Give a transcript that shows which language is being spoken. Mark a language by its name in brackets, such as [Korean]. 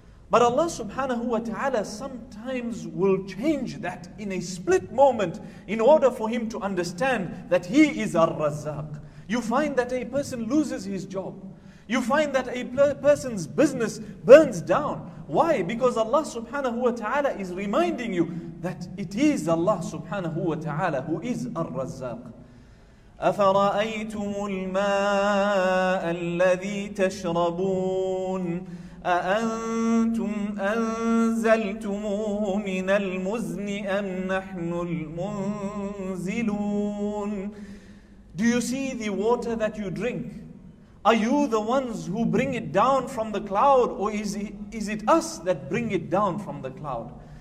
[English] But Allah subhanahu wa ta'ala sometimes will change that in a split moment in order for him to understand that he is ar-razzaq. You find that a person loses his job. You find that a person's business burns down. Why? Because Allah subhanahu wa ta'ala is reminding you that it is Allah subhanahu wa ta'ala who is ar-razzaq. [Arabic] أَفَرَأَيْتُمُ الْمَاءَ الَّذِي تَشْرَبُونَ أَأَنْتُمْ أَنْزَلْتُمُوهُ مِنَ الْمُزْنِ أَمْ نَحْنُ الْمُنْزِلُونَ [English] Do you see the water that you drink? Are you the ones who bring it down from the cloud, or is it us that bring it down from the cloud?